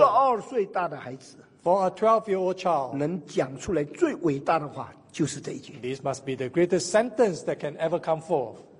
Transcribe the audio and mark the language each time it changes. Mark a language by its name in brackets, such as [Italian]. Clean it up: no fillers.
[Chinese] 12岁大的孩子 [English] ，For a 12-year-old child, [Chinese] 能讲出来最伟大的话就是这一句。 [English] This must be the greatest sentence that can ever come forth.